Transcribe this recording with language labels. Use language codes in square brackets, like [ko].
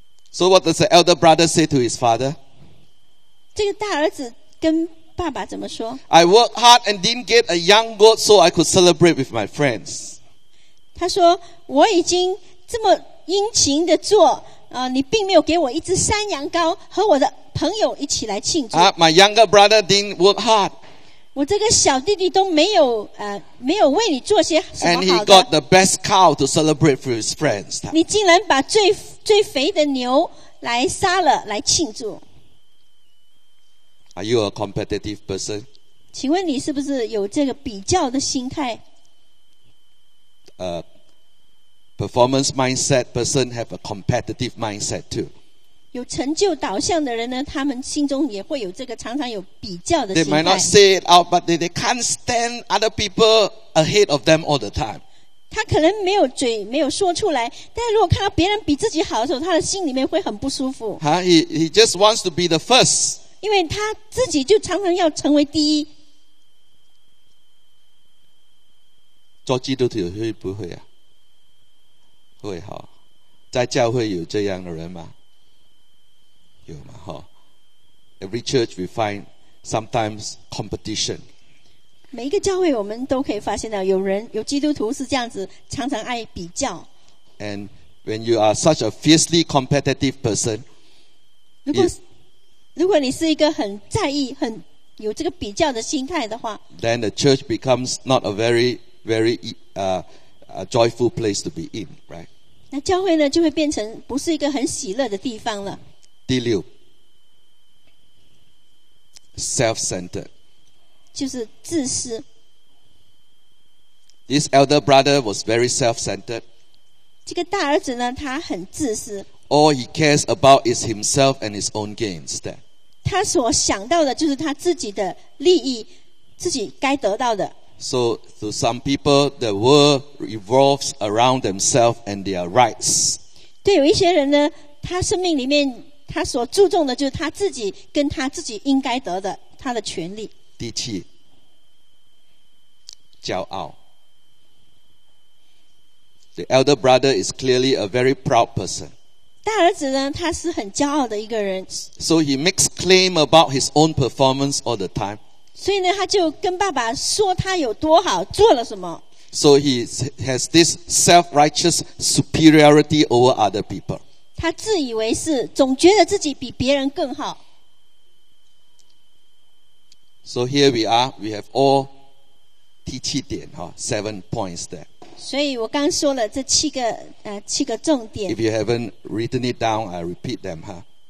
[en] So what does the elder brother say to his father？ [zh] 这个大儿子跟爸爸怎么说？ [en] I worked hard and didn't get a young goat so I could celebrate with my friends。 [zh] 他说我已经这么殷勤的做，你并没有给我一只山羊羔和我的朋友一起来庆祝。 [en] My younger brother didn't work hard. [zh] 我这个小弟弟都没有没有为你做些什么好的。 [en] And he got the best cow to celebrate for his friends. [zh] 你竟然把最肥的牛来杀了来庆祝。 [en] Are you a competitive person? [zh] 请问你是不是有这个比较的心态？ [en] Performance mindset person have a competitive mindset too. [zh] 有成就导向的人呢，他们心中也会有这个常常有比较的心态。 [en] They might not say it out, but they can't stand other people ahead of them all the time. [zh] 他可能没有嘴没有说出来，但如果看到别人比自己好的时候，他的心里面会很不舒服。 [en] He just wants to be the first. [zh] 因为他自己就常常要成为第一。做基督徒会不会啊？会哈，在教会有这样的人吗？有吗？哈 ， [en] Every church we find sometimes competition. [zh] 每一个教会我们都可以发现到有人有基督徒是这样子，常常爱比较。 [en] And when you are such a fiercely competitive person, [zh] 如果你是一个很在意、很有这个比较的心态的话 [en] ，then the church becomes not a very very joyful place to be in, right? [zh] 那教会呢，就会变成不是一个很喜乐的地方了。第六 ，self-centered，就是自私。 [en] This elder brother was very self-centered. [zh] 这个大儿子呢，他很自私。 [en] All he cares about is himself and his own gains. [zh] 他所想到的就是他自己的利益，自己该得到的。 [en] So to some people, the world revolves around themselves and their rights. [zh] 对有一些人呢，他生命里面他所注重的就是他自己跟他自己应该得的他的权利。第七，骄傲。 [en] The elder brother is clearly a very proud person. [zh] 大儿子呢，他是很骄傲的一个人。 [en] So he makes claim about his own performance all the time. [zh] 所以呢，他就跟爸爸说他有多好，做了什么。 [en] So he has this self-righteous superiority over other people. [zh] 他自以为是，总觉得自己比别人更好。 [en] So here we are. We have all [zh] 第七点哈 [en] ，seven points there. [zh] 所以我刚说了这七个重点。 [en] If you haven't written it down, I repeat them, huh?